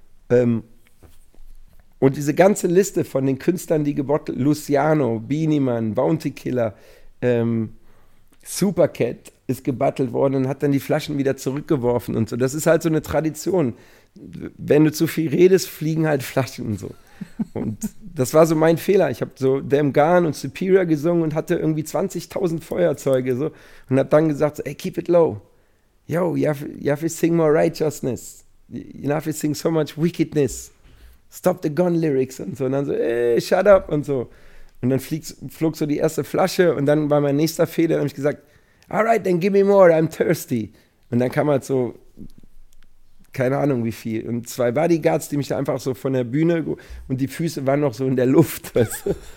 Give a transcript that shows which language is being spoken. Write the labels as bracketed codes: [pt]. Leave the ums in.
[de] Ähm, und diese ganze Liste von den Künstlern, die gebottelt, Luciano, Beanie-Mann, Bounty Killer, ähm, Supercat ist gebattelt worden und hat dann die Flaschen wieder zurückgeworfen und so. Das ist halt so eine Tradition. Wenn du zu viel redest, fliegen halt Flaschen und so. Und das war so mein Fehler. Ich habe so Damn Garn und Superior gesungen und hatte irgendwie 20.000 Feuerzeuge so und habe dann gesagt, so, ey, [en] keep it low. Yo, you have, you have to sing more righteousness. You have to sing so much wickedness. Stop the gun lyrics [de] und so. Und dann so, ey, [en] shut up [de] und so. Und dann fliegt, flog so die erste Flasche und dann war mein nächster Fehler. Dann habe ich gesagt, [en] alright, then give me more, I'm thirsty. [de] Und dann kam halt so, keine Ahnung wie viel. Und zwei Bodyguards, die mich da einfach so von der Bühne ge- und die Füße waren noch so in der Luft. Weißt du?